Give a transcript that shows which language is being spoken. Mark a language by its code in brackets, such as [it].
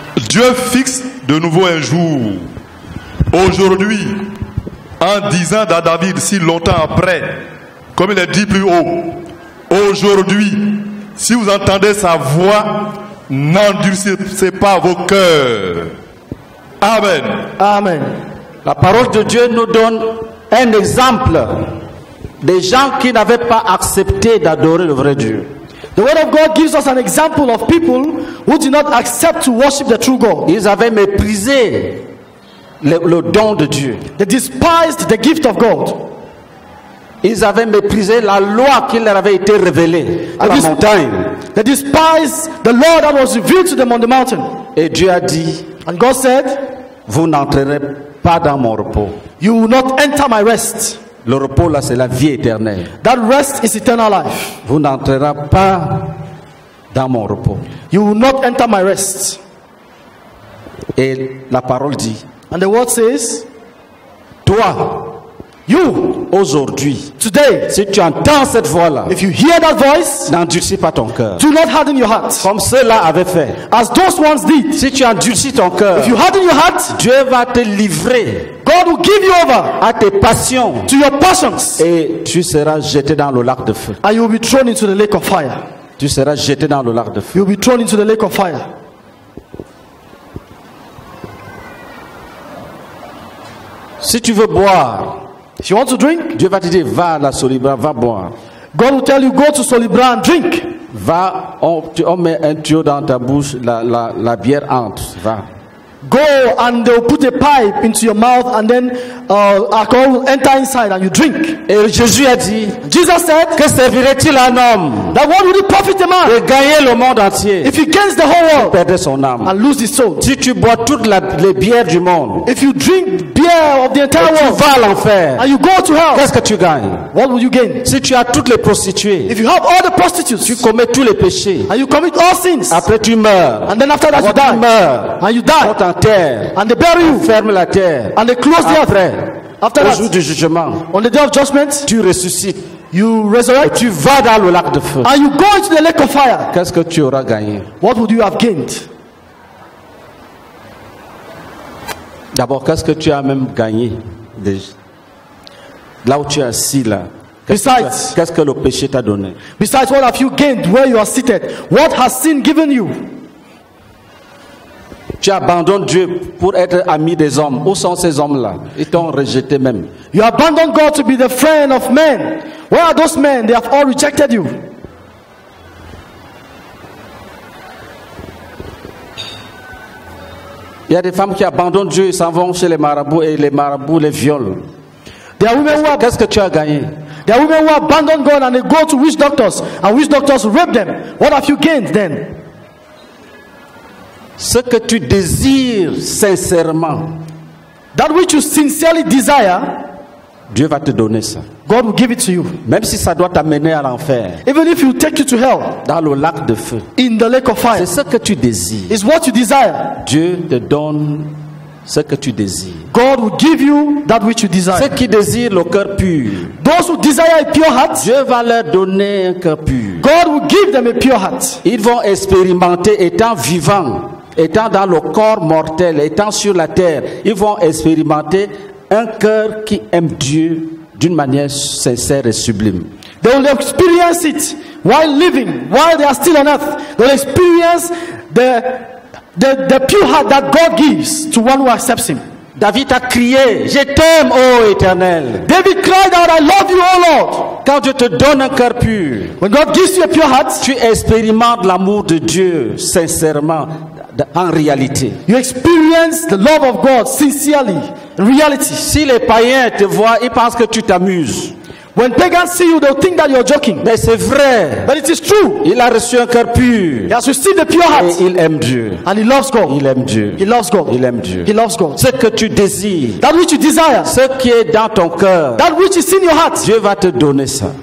[fr] Dieu fixe de nouveau un jour, aujourd'hui, en disant à David si longtemps après, comme il est dit plus haut, aujourd'hui, si vous entendez sa voix, n'endurcissez pas vos cœurs. Amen. Amen. La parole de Dieu nous donne un exemple des gens qui n'avaient pas accepté d'adorer le vrai Dieu. [en] The word of God gives us an example of people who did not accept to worship the true God. [fr] Ils avaient méprisé le don de Dieu. [en] They despised the gift of God. [fr] Ils avaient méprisé la loi qui leur avait été révélée à la montagne. [en] They despised the law that was revealed to them on the mountain. [fr] Et Dieu a dit, [en] and God said, [fr] vous n'entrerez pas dans mon repos. [en] You will not enter my rest. [fr] Le repos là, c'est la vie éternelle. [en] That rest is eternal life. [fr] Vous n'entrerez pas dans mon repos. [en] You will not enter my rest. [fr] Et la parole dit. [en] And the word says, [fr] toi, [en] you, [fr] aujourd'hui, [en] today, [fr] si tu entends cette voix là, [en] if you hear that voice, [fr] n'endurcis pas ton cœur. [en] Do not harden your heart. [fr] Comme ceux-là avaient fait. [en] As those ones did. [fr] Si tu endurcis ton cœur, [en] if you harden your heart, [fr] Dieu va te livrer. [en] God will give you over [fr] à tes passions, [en] to your passions, [fr] et tu seras jeté dans le lac de feu. [en] And you will be thrown into the lake of fire. [fr] Tu seras jeté dans le lac de feu. [en] You will be thrown into the lake of fire. [fr] Si tu veux boire, [en] If you want to drink, [fr] Dieu va te dire va à la Solibra, va boire. [en] God will tell you go to Solibra and drink. [fr] Va, on met un tuyau dans ta bouche, la bière entre. Va. [en] Go and they will put a pipe into your mouth and then alcohol will enter inside and you drink. [fr] Et Jésus a dit, [en] Jesus said, [fr] que servirait-il un homme? [en] That what would it profit a man? [fr] De gagner le monde entier. [en] If he gains the whole world, [fr] il perdait son âme. [en] And lose his soul. [fr] Si tu bois toutes les bières du monde, [en] if you drink beer of the entire world, [fr] tu vas à l'enfer. [en] And you go to hell. [fr] Qu'est-ce que tu gagnes? [en] What will you gain? [fr] Si tu as toutes les prostituées, [en] if you have all the prostitutes, [fr] tu commets tous les péchés. [en] And you commit all sins. [fr] Après tu meurs. [en] And then after that you die. And you die. And they bury you. [fr] Ferme la terre. [en] And they close the earth. After that, [fr] jour du jugement, [en] on the day of judgment, [fr] tu ressuscites. [en] You resurrect. [fr] Et tu vas dans le lac de feu. [en] And you go into the lake of fire. [fr] Qu'est-ce que tu auras gagné? [en] What would you have gained? [fr] D'abord, qu'est-ce que tu as même gagné? Là où tu es assis là. [en] Besides, [fr] qu'est-ce que le péché t'a donné? [en] Besides, what have you gained where you are seated? What has sin given you? [fr] Tu abandonnes Dieu pour être ami des hommes. Où sont ces hommes-là? Ils t'ont rejeté même. [en] You abandon God to be the friend of men. Where are those men? They have all rejected you. [fr] Il y a des femmes qui abandonnent Dieu et s'en vont chez les marabouts et les marabouts les violent. [en] There are women [fr] qu'est-ce que tu as gagné? [en] There are women who abandon God and they go to witch doctors and witch doctors rape them. What have you gained then? [fr] Ce que tu désires sincèrement, [en] that which you sincerely desire, [fr] Dieu va te donner ça. [en] God will give it to you. [fr] Même si ça doit t'amener à l'enfer, [en] even if he'll take you to hell, [fr] dans le lac de feu, [en] in the lake of fire, [fr] c'est ce que tu désires. [en] It's what you desire. [fr] Dieu te donne ce que tu désires. [en] God will give you that which you desire. [fr] Ceux qui désirent le cœur pur, [en] those who desire a pure heart, [fr] Dieu va leur donner un cœur pur. [en] God will give them a pure heart. [fr] Ils vont expérimenter étant vivants. Étant dans le corps mortel, étant sur la terre, ils vont expérimenter un cœur qui aime Dieu d'une manière sincère et sublime. [en] They will experience it while living, while they are still on earth. They will experience the pure heart that God gives to one who accepts him. [fr] David a crié, je t'aime, ô Éternel. [en] David cried out, I love you, O Lord. [fr] Quand Dieu te donne un cœur pur, [en] when God gives you a pure heart, [fr] tu expérimentes l'amour de Dieu sincèrement. En réalité, [en] you experience the love of God sincerely, in reality. [fr] Si les païens te voient, ils pensent que tu t'amuses. [en] When pagans see you, they'll think that you're joking. [fr] Mais c'est vrai. [en] But it is true. [fr] Il a reçu un cœur pur. [en] He has received a pure heart. [fr] Et il aime Dieu. [en] And he loves God. [fr] Il aime Dieu. [en] He loves God. [fr] Il aime Dieu. [en] He loves God. [fr] Ce que tu désires, [en] that which you desire, [fr] ce qui est dans ton cœur, [en] that which is in your heart, [fr] Dieu va te donner ça.